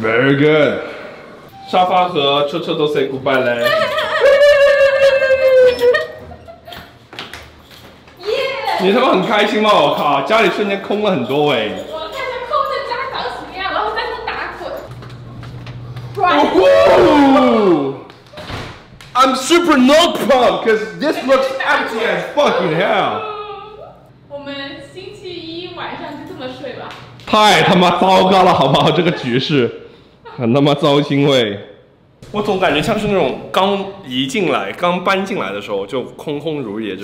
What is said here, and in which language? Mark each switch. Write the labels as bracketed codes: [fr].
[en] Very good. [zh] 沙发和车车都 [en] say goodbye [zh] 嘞。你他妈很开心吗？我靠，家里瞬间空了很多哎！我看着空的家长什么样，然后在那打滚。 [en] 哇、！I'm super not pumped because this looks empty as fucking hell. [zh] 我们星期一晚上就这么睡吧。太他妈糟糕了，好不好？这个局势很他妈糟心喂。我总感觉像是那种刚移进来、刚搬进来的时候就空空如也，就